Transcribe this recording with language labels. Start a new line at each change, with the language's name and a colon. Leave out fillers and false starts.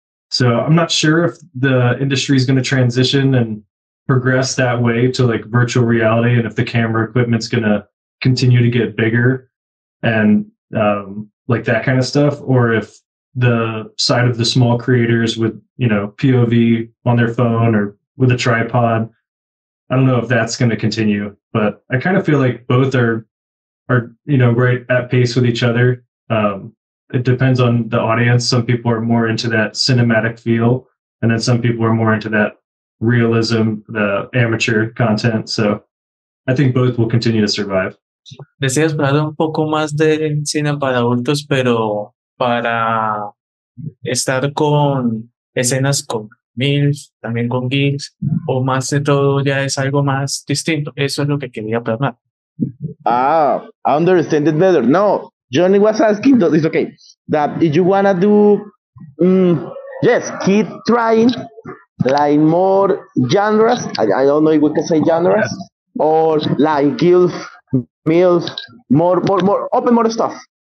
English: So I'm not sure if the industry is going to transition and progress that way to like virtual reality, and if the camera equipment's going to continue to get bigger and like that kind of stuff, or if the side of the small creators with, POV on their phone or with a tripod, I don't know if that's going to continue, but I kind of feel like both are right at pace with each other. It depends on the audience. Some people are more into that cinematic feel, and then some people are more into that realism, the amateur content. So I think both will continue to survive.
Spanish: Deseas hablar un poco más de cine para adultos, pero para estar con escenas con MILF, también con GIFs, o más de todo ya es algo más distinto. Eso es lo que quería plasmar.
English: Ah, I understand it better. No, Johnny was asking, though, it's okay, that if you want to do, yes, keep trying, like more genres, I don't know if we can say genres, or like GIF, MILF, more, open more stuff.